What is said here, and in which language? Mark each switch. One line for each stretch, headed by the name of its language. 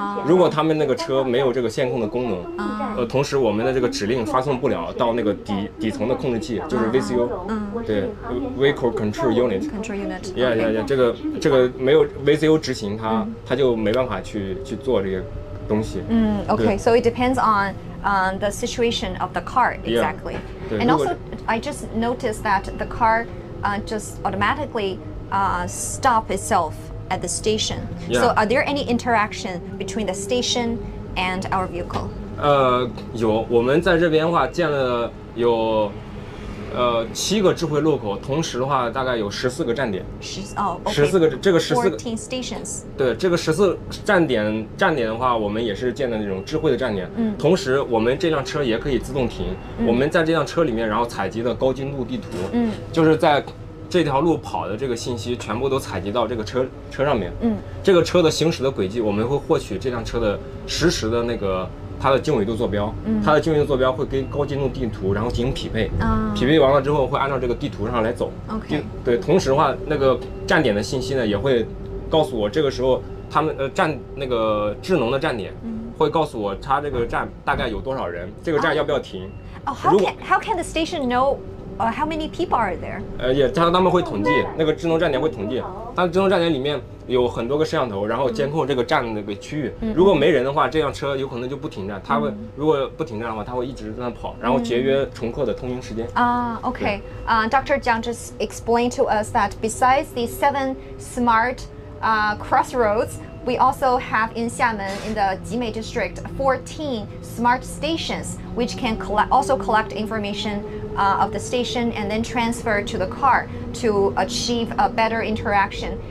Chinese: 如果他们那个车没有这个线控的功能，同时我们的这个指令发送不了到那个底层的控制器，就是 VCU， 对 ，
English: vehicle control unit。 Control unit.
Chinese: 这个没有 VCU 执行，它就没办法去做这些东西。
English: Okay. So it depends on. The situation of the car exactly. Yeah, and also, I just noticed that the car just automatically stop itself at the station. Yeah. So, are there any interaction between the station and our vehicle?
Chinese: 有，我们在这边的话建了有七个智慧路口，同时的话大概有14个站点。
English: 14 stations.
Chinese: 对，这个14站点的话，我们也是建的那种智慧的站点。同时，我们这辆车也可以自动停。我们在这辆车里面，然后采集的高精度地图。就是在这条路跑的这个信息，全部都采集到这个车上面。这个车的行驶的轨迹，我们会获取这辆车的实时的那个。它的经纬度坐标，它的经纬度坐标会跟高精度地图然后进行匹配，匹配完了之后会按照这个地图上来走。对，同时的话，那个站点的信息呢也会告诉我，这个时候他们站那个智能的站点会告诉我，它这个站大概有多少人，这个站要不要停？
English: How can the station know how many people are there？
Chinese: 他们会统计，那个智能站点会统计，它的智能站点里面。有很多个摄像头，然后监控这个站的那个区域。如果没人的话，这辆车有可能就不停站。它会如果不停站的话，它会一直在那跑，然后节约乘客的通行时间。
English: Okay. Dr. Jiang just explained to us that besides the 7 smart crossroads, we also have in Xiamen in the Jimei District 14 smart stations, which can collect information of the station and then transfer to the car to achieve a better interaction.